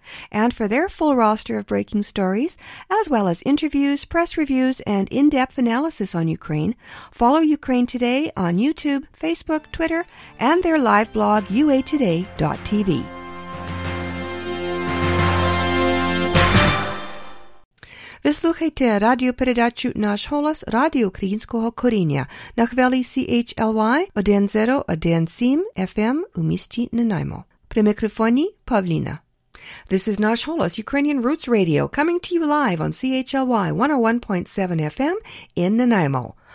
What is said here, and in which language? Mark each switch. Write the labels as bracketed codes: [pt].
[en] And for their full roster of breaking stories, as well as interviews, press reviews, and in-depth analysis on Ukraine, follow Ukraine Today on YouTube, Facebook, Twitter, and their live blog, uatoday.tv. [uk] Ви слухайте радіопередачу «Наш голос» Радіо Українського коріння на хвилі CHLY 101.7 FM у місті Нанаймо. При мікрофоні Павліна. [en] This is Nash Holos, Ukrainian Roots Radio, coming to you live on CHLY 101.7 FM in Nanaimo.